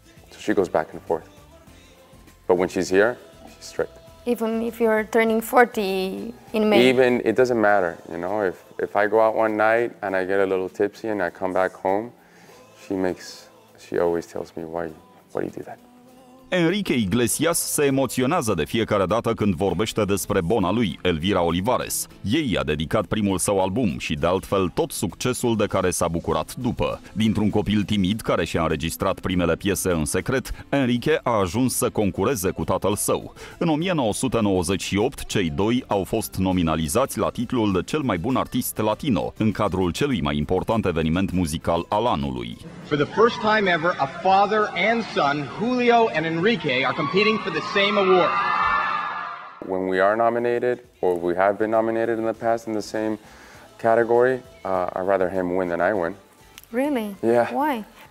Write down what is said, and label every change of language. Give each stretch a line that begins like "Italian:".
English: So she goes back and forth. But when she's here, she's strict. Even if you're turning 40 in May? Even, it doesn't matter, you know. If I go out one night and I get a little tipsy and I come back home, she always tells me, why do you do that?
Romanian: Enrique Iglesias se emoționează de fiecare dată când vorbește despre bona lui, Elvira Olivares. Ei i-a dedicat primul său album și, de altfel, tot succesul de care s-a bucurat după. Dintr-un copil timid care și-a înregistrat primele piese în secret, Enrique a ajuns să concureze cu tatăl său. În 1998, cei doi au fost nominalizați la titlul de cel mai bun artist latino, în cadrul celui mai important eveniment muzical al anului.
English: For the first time ever, a father and son, Julio and Enrique are competing for the same award. When we are nominated, or we have been nominated in the past in the same category, I'd rather him win than I win. Really? Yeah. Why?